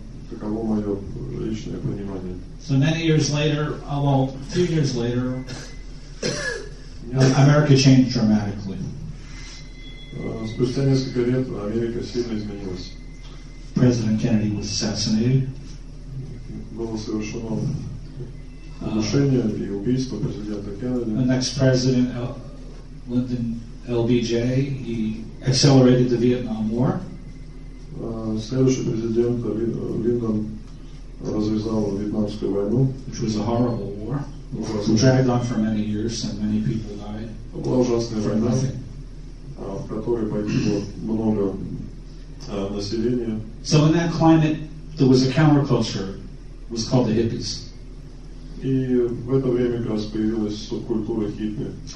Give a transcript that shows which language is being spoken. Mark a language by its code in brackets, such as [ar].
[ru] Таково мое личное понимание. [en] So many years later, well, a few years later, America changed dramatically. [ru] Спустя несколько лет Америка сильно изменилась. [en] President Kennedy was assassinated. [ru] Было совершено и убийство президента Кеннеди. [en] The next president, Lyndon LBJ, he accelerated the Vietnam War. [ru] Следующий президент Линдон развязал Вьетнамскую войну. [en] Which was a horrible war. Dragged on for many years and many people died. [ru] Была ужасная война, в которой погибло много населения. [en] So in that climate, there was a counterculture. It was called the hippies. [ru] И в это время как раз появилась субкультура хиппи.